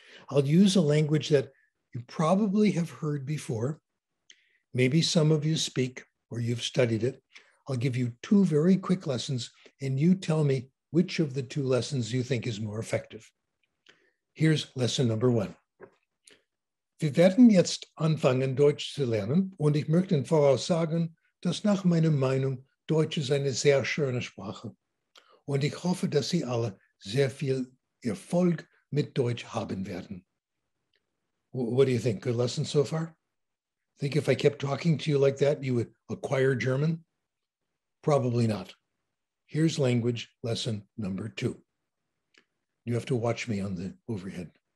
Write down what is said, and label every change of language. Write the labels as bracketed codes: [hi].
[en] I'll use a language that you probably have heard before. Maybe some of you speak or you've studied it. I'll give you two very quick lessons and you tell me which of the two lessons you think is more effective. Here's lesson number one. [de] Wir werden jetzt anfangen, Deutsch zu lernen und ich möchte voraussagen, dass nach meiner Meinung Deutsch ist eine sehr schöne Sprache und ich hoffe, dass Sie alle sehr viel Erfolg mit Deutsch haben werden. [en] What do you think? Good lesson so far? Think if I kept talking to you like that, you would acquire German? Probably not. Here's language lesson number two. You have to watch me on the overhead.